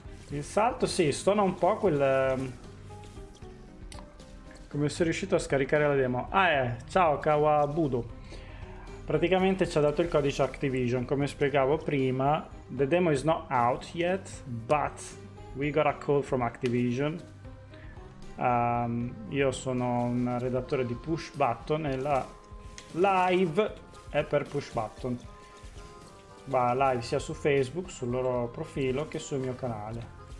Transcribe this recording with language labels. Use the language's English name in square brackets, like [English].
[Italian] Il salto sì, stona un po' quel... Come sei riuscito a scaricare la demo? Ah, ciao Kawabudo. Praticamente ci ha dato il codice Activision, come spiegavo prima. [English] The demo is not out yet, but we got a call from Activision. [Italian] Io sono un redattore di Push Button e la live è per Push Button. Va live sia su Facebook, sul loro profilo, che sul mio canale.